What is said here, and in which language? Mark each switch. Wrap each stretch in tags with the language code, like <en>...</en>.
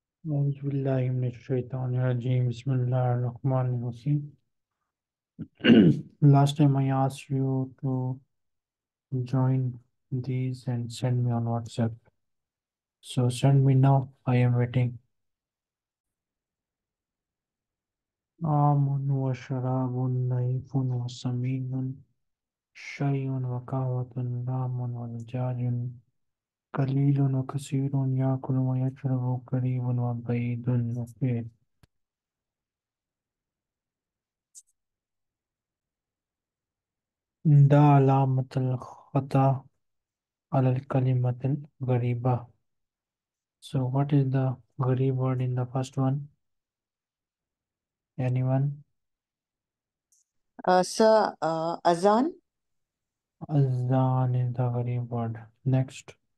<ar>أعوذ بالله من الشيطان الرجيم، بسم الله الرحمن الرحيم.</ar> <en>Last time I asked you to join these and send me on WhatsApp. So send me now, I am waiting.</en> <ar>آم وشراب نايف وسمين شيء وقهوة نام ودجاج قليل وكثير يأكل ويشرب كريم وبيض وفير. ده علامة الخطأ على الكلمة الغريبة.</ar> <en>So what is the</en> <ar>غريب</ar> <en>word in the first one? Anyone? Sir, Azan. Azan is the</en> <ar>غريب</ar> <en>word. Next.</en>